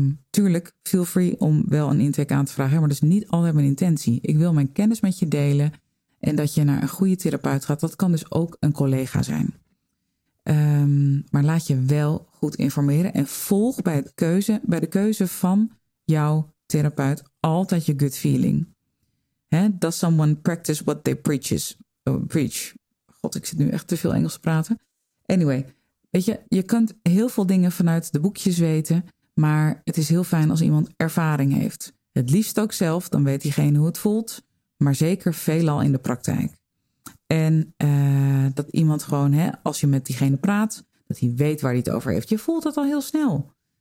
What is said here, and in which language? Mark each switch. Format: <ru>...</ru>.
<nl>Tuurlijk,</nl> <en>feel free</en> <nl>om wel een intake aan te vragen. Maar dat is niet altijd mijn intentie. Ik wil mijn kennis met je delen. En dat je naar een goede therapeut gaat. Dat kan dus ook een collega zijn. Maar laat je wel goed informeren. En volg bij de keuze van jouw therapeut altijd je</nl> <en>gut feeling. He, does someone practice what they preach?</en> <nl>God, ik zit nu echt te veel Engels te praten.</nl> <en>Anyway,</en> <nl>weet je, je kunt heel veel dingen vanuit de boekjes weten, maar het is heel fijn als iemand ervaring heeft. Het liefst ook zelf, dan weet diegene hoe het voelt, maar zeker veelal in de praktijk. En dat iemand gewoon, hè, als je met diegene praat, dat hij weet waar hij het over heeft. Je voelt dat al heel snel.</nl>